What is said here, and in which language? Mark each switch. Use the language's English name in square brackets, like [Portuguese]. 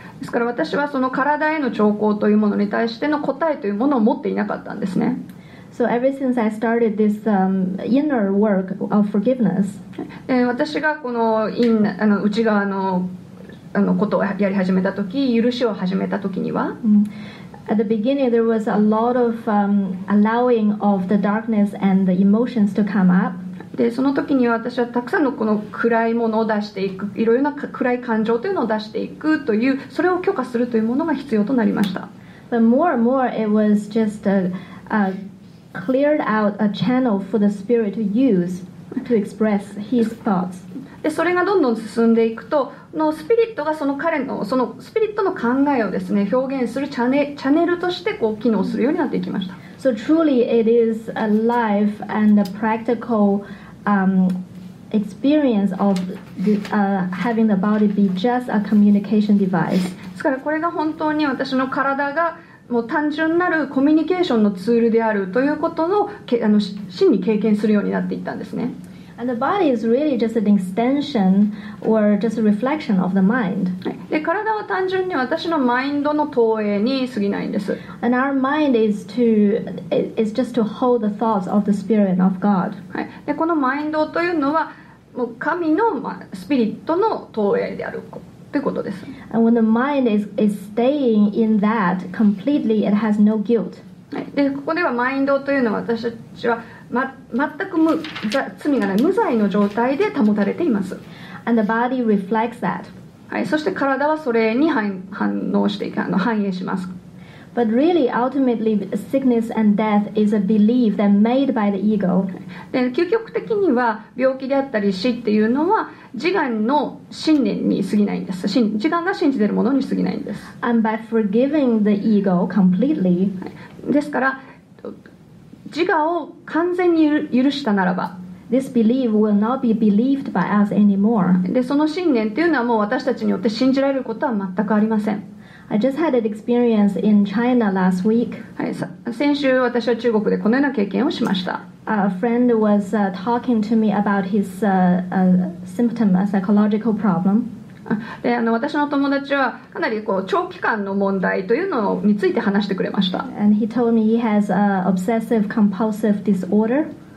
[Japanese] ですから私はその体への兆候というものに対しての答えというものを持っていなかったんですね。 [English] So ever since I started this inner work of forgiveness, [Japanese] 私がこの内側のことをやり始めた時、許しを始めた時には、 [English] At the beginning there was a lot of allowing of the darkness and the emotions to come up. [Japanese] で、その時には私はたくさんのこの暗いものを出していく、いろいろな暗い感情というのを出していくという、それを許可するというものが必要となりました。 [English] But more and more it was just a cleared out a channel for the spirit to use to express his thoughts. [Japanese] で、それがどんどん進んでいくと、のスピリットがその彼のそのスピリットの考えをですね表現するチャネルとしてこう機能するようになっていきました。 [English] So truly it is a life and a practical experience of having the body be just a communication device. [Japanese] ですからこれが本当に私の体がもう単純なるコミュニケーションのツールであるということを真に経験するようになっていったんですね。 [English] And the body is really just an extension or just a reflection of the mind. [Japanese] で、体は単純に私のマインドの投影に過ぎないんです。 [English] And our mind is just to hold the thoughts of the spirit of God. [Japanese] で、このマインドというのはもう神のスピリットの投影であるということです。 [English] And when the mind is staying in that completely, it has no guilt. [Japanese] で、ここではマインドというのは私たちはま、全く罪がない無罪の状態で保たれています。 [English] And the body reflects that. [Japanese] はい、そして体はそれに反応して反映します。 [English] But really, ultimately, sickness and death is a belief that made by the ego. [Japanese] で、究極的には病気であったり死っていうのは自我の信念に過ぎないんです。自我が信じているものに過ぎないんです。 [English] And by forgiving the ego completely. [Japanese] ですから自我を完全に許したならば [English] This belief will not be believed by us anymore. [Japanese] で、その信念というのはもう私たちによって信じられることは全くありません。 [English] I just had an experience in China last week. [Japanese] はい、先週私は中国でこのような経験をしました。 [English] A friend was talking to me about his symptom, a psychological problem. [Japanese] で、私の友達はかなりこう長期間の問題というのについて話してくれました。 [English] And he told me he has an obsessive compulsive disorder.